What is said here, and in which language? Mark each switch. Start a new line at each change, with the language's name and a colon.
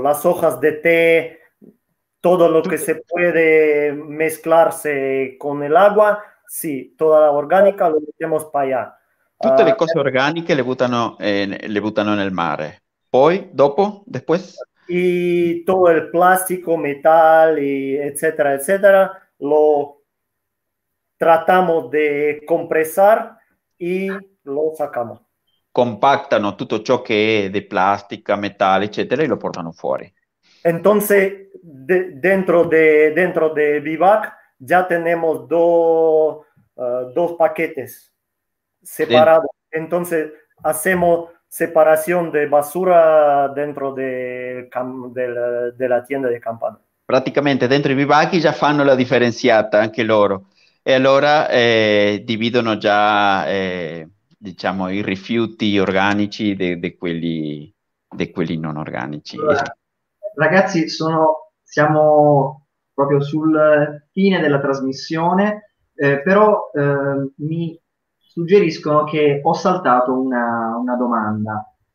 Spanish: Las hojas de té, todo lo que se puede mezclarse con el agua, sí, toda la orgánica lo metemos para
Italian: Tutte
Spanish: allá.
Italian: le cose organiche le buttano nel mare. Poi, dopo,
Spanish: después. Y todo el plástico, metal, y etcétera, etcétera, lo tratamos de compresar y lo sacamos.
Italian: Compactano tutto ciò che è di plastica, metallo, eccetera, e lo portano fuori.
Spanish: Entonces, dentro de Bivac ya tenemos dos paquetes separados. Entonces, hacemos separación de basura dentro de la tienda de campana.
Italian: Praticamente dentro i bivacchi già fanno la differenziata anche loro e allora dividono già diciamo i rifiuti organici di quelli non organici. Ragazzi, siamo proprio sul fine della trasmissione, però mi suggeriscono che ho saltato una domanda.